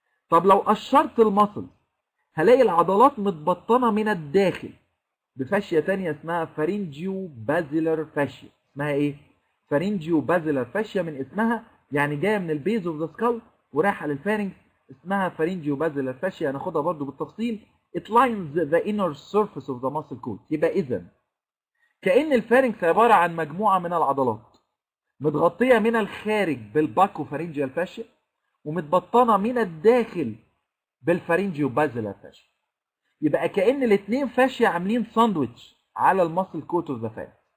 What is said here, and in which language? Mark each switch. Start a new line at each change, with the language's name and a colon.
Arabic: طب لو قشرت المصل هلاقي العضلات متبطنه من الداخل بفاشيا ثانيه اسمها فارينجيو بازيلر فاشيا. اسمها ايه؟ فارينجيو بازيلر فاشيا من اسمها، يعني جايه من البيز اوف ذا سكال ورايحه للفارينكس، اسمها فارينجيو بازيلر فاشيا، هناخدها برده بالتفصيل.
English: It lines the inner surface of the muscle coat.
Arabic: يبقى إذا كأن الفارينكس عبارة عن مجموعة من العضلات متغطية من الخارج بالباكو فارينجيال فاشيا ومتبطنة من الداخل بالفارينجيو بازيلار فاشيا. يبقى كأن الاثنين فاشيا عاملين ساندويتش على المسل كوت اوف ذا فان.